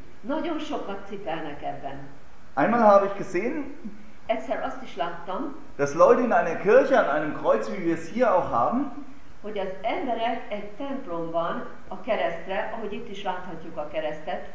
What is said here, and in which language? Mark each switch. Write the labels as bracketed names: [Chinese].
[Hungarian] Nagyon sokat cipelnek ebben. [German] Einmal habe ich gesehen, [Hungarian] egyszer azt is láttam, [German] dass Leute in einer Kirche an einem Kreuz, wie wir es hier auch haben, [Hungarian] hogy az emberek egy templomban a keresztre, ahogy itt is láthatjuk a keresztet,